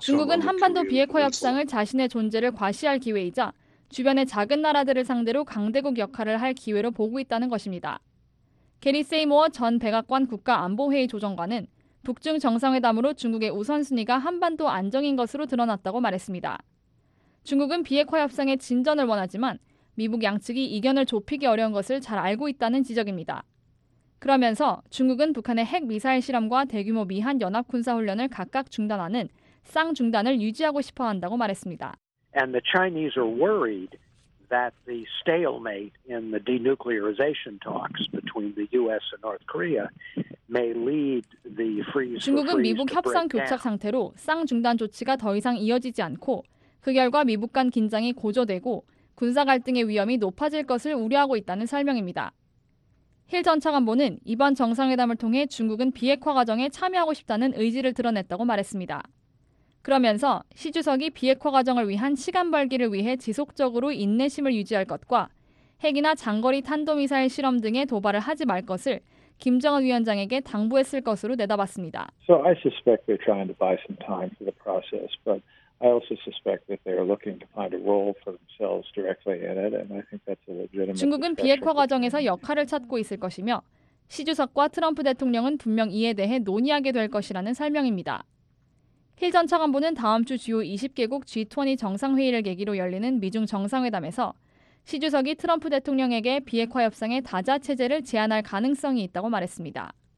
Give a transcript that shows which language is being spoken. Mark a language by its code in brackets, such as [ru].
[ko] 중국은 한반도 비핵화 협상을 자신의 존재를 과시할 기회이자 주변의 작은 나라들을 상대로 강대국 역할을 할 기회로 보고 있다는 것입니다. 게리 세이모어 전 백악관 국가안보회의 조정관은 북중 정상회담으로 중국의 우선순위가 한반도 안정인 것으로 드러났다고 말했습니다. 중국은 비핵화 협상의 진전을 원하지만 미국 양측이 이견을 좁히기 어려운 것을 잘 알고 있다는 지적입니다. 그러면서 중국은 북한의 핵미사일 실험과 대규모 미한 연합군사훈련을 각각 중단하는 쌍중단을 유지하고 싶어 한다고 말했습니다. [en] And the Chinese are worried that the stalemate in the denuclearization talks between the U.S. and North Korea may lead the freeze. [ko] 중국은 미국 협상 교착 상태로 쌍 중단 조치가 더 이상 이어지지 않고 그 결과 미북 간 긴장이 고조되고 군사 갈등의 위험이 높아질 것을 우려하고 있다는 설명입니다. 힐 전 차관보는 이번 정상회담을 통해 중국은 비핵화 과정에 참여하고 싶다는 의지를 드러냈다고 말했습니다. 그러면서 시 주석이 비핵화 과정을 위한 시간 벌기를 위해 지속적으로 인내심을 유지할 것과 핵이나 장거리 탄도미사일 실험 등의 도발을 하지 말 것을 김정은 위원장에게 당부했을 것으로 내다봤습니다. [en] So I suspect they're trying to buy some time for the process, but I also suspect that they're looking to find a role for themselves directly in it, and I think that's a legitimate. [ko] 중국은 비핵화 과정에서 역할을 찾고 있을 것이며 시 주석과 트럼프 대통령은 분명 이에 대해 논의하게 될 것이라는 설명입니다. 힐 전 차관보는 다음 주 주요 20개국 G20 정상회의를 계기로 열리는 미중 정상회담에서 시 주석이 트럼프 대통령에게 비핵화 협상의 다자 체제를 제안할 가능성이 있다고 말했습니다.